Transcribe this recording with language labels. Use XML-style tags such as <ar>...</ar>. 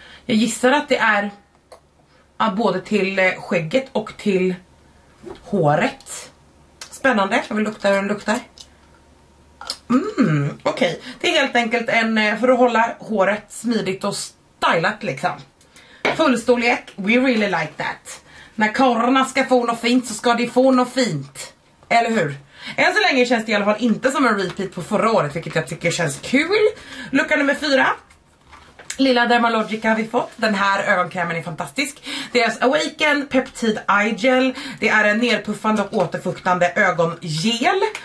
<sv>Jag gissar att det är både till skägget och till håret. Spännande, jag vill lukta hur den luktar. Okej. Okay. Det är helt enkelt en för att hålla håret smidigt och stylat liksom. Full storlek,</sv> <en>we really like that.</en> <sv>När karorna ska få något fint så ska de få något fint. Eller hur? Än så länge känns det i alla fall inte som en repeat på förra året, vilket jag tycker känns kul. Lucka nummer 4. Lilla Dermalogica har vi fått. Den här ögonkrämen är fantastisk. Deras Awaken Peptide Eye Gel. Det är en nerpuffande och återfuktande ögongel.</sv>